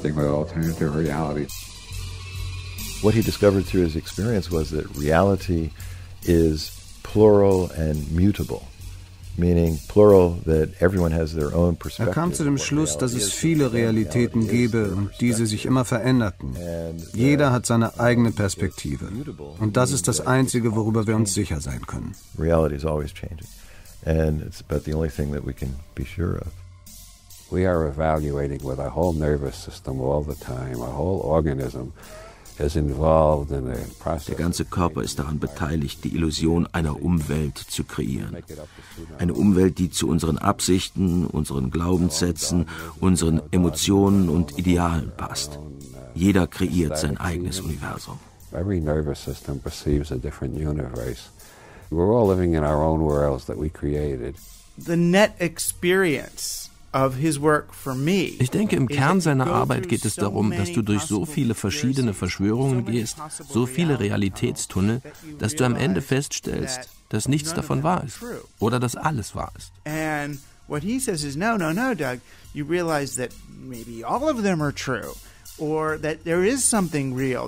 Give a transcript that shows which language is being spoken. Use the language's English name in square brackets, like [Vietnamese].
[English] What he discovered through his experience was that reality is plural and mutable, meaning plural that everyone has their own perspective. [German] Er kam zu dem Schluss, dass es viele Realitäten gebe und diese sich immer veränderten. Jeder hat seine eigene Perspektive. Und das ist das Einzige, worüber wir uns sicher sein können. [English] Reality is always changing. And it's about the only thing that we can be sure of. We are evaluating with our whole nervous system all the time, our whole organism. [German] Der ganze Körper ist daran beteiligt, die Illusion einer Umwelt zu kreieren. Eine Umwelt, die zu unseren Absichten, unseren Glaubenssätzen, unseren Emotionen und Idealen passt. Jeder kreiert sein eigenes Universum. [English] Every nervous system perceives a different universe. We're all living in our own worlds that we created. The net experience. [German] Ich denke, im Kern seiner Arbeit geht es darum, dass du durch so viele verschiedene Verschwörungen gehst, so viele Realitätstunnel, dass du am Ende feststellst, dass nichts davon wahr ist oder dass alles wahr ist. [English] And what he says is, no, Doug, you realize that maybe all of them are true or that there is something real.